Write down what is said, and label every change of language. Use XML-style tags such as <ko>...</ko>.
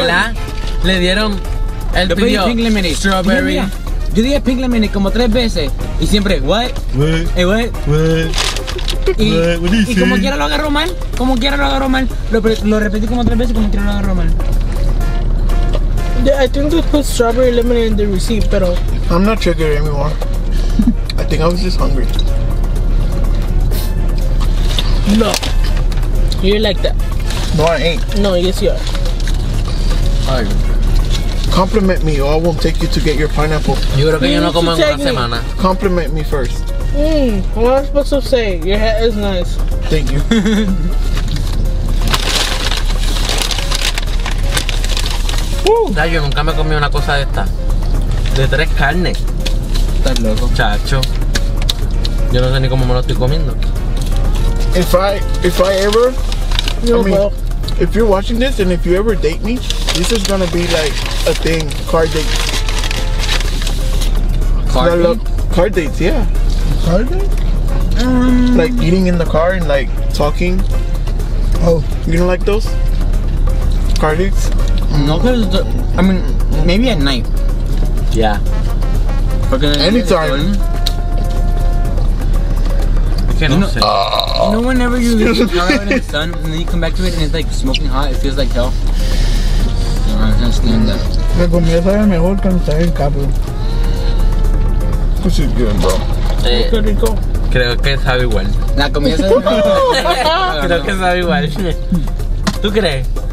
<es>¿Verdad? Le dieron el pidió</es> <en>pink lemonade. Strawberry.</en> <es>Yo dije pink lemonade como tres veces y siempre,</es> <en>what? What? Hey, what? What?</en> <es>Y,</es> <en>what</en> <es>y como quiera lo agarró mal, como quiera lo agarró mal. Lo repetí como tres veces como quiera lo agarró mal.</es> <en>Yeah, I think they put strawberry lemonade in the receipt,</en> <es>pero.</es> <en>I'm not triggered anymore. I think I was just hungry. No. You're like that. No, I ain't. No, yes, you are. Hi. Compliment me or I won't take you to get your pineapple.</en> <es>Yo creo que yo no como en una semana.</es> <en>Compliment me first. Mmm, what am I supposed to say? Your hat is nice. Thank you.</en> <es>Woo. Yo nunca me comí una cosa de esta. De tres carnes. Estás loco. Chacho. Yo no sé ni cómo me lo estoy comiendo.</es> <en>If I ever... No, I mean, well. If you're watching this and if you ever date me, this is gonna be like a thing, card date. Card date? Card dates, yeah. Card date? Like eating in the car and like talking. Oh. You don't like those? Card dates? No, because I mean, maybe at night. Yeah. Anytime. You know whenever you leave the car out in the sun and then you come back to it and it's like smoking hot, it feels like hell. I don't understand that.</en> <es>La comida sabe mejor cuando está en cabo.</es> <en>This is good, bro.</en> <es>Qué rico. Creo que sabe igual. La comida sabe mejor. Creo que sabe igual. ¿Tú crees?</es>